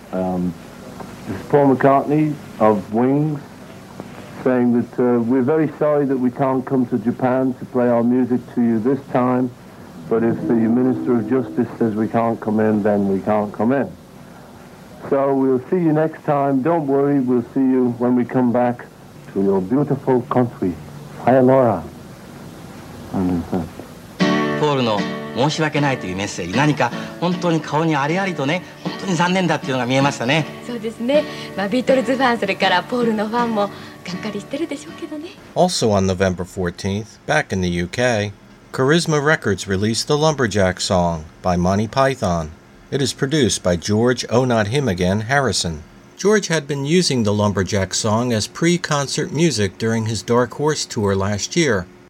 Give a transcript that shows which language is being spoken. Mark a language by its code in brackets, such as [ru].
[en] This is Paul McCartney of Wings, saying that we're very sorry that we can't come to Japan to play our music to you this time, but if the Minister of Justice says we can't come in, then we can't come in. So we'll see you next time. Don't worry, we'll see you when we come back to your beautiful country. Sayonara. And in fact, [ja] Paul の 申し訳ないというメッセージ、何か本当に顔にありありとね、本当に残念だっていうのが見えましたね。そうですね。ビートルズファン、それからポールのファンもがっかりしてるでしょうけどね。 [en] Also on November 14th, back in the UK, Charisma Records released the Lumberjack Song by Monty Python. It is produced by George Oh Not Him Again Harrison. George had been using the Lumberjack song as pre-concert music during his Dark Horse tour last year.